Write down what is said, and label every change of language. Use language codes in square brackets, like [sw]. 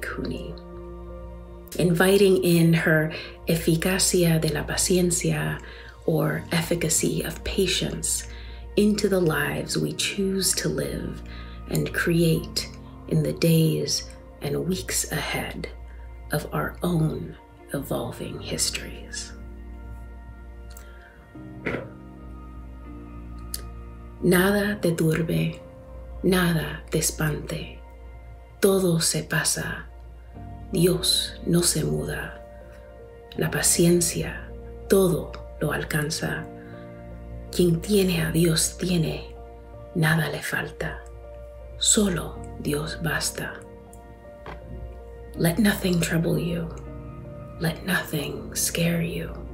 [en] Cooney, inviting in her [es] eficacia de la paciencia, [en] or efficacy of patience, into the lives we choose to live and create in the days and weeks ahead of our own evolving histories. [es] Nada te turbe, nada te espante, todo se pasa, Dios no se muda, la paciencia todo lo alcanza, quien tiene a Dios tiene, nada le falta, solo Dios basta. [en] Let nothing trouble you, let nothing scare you.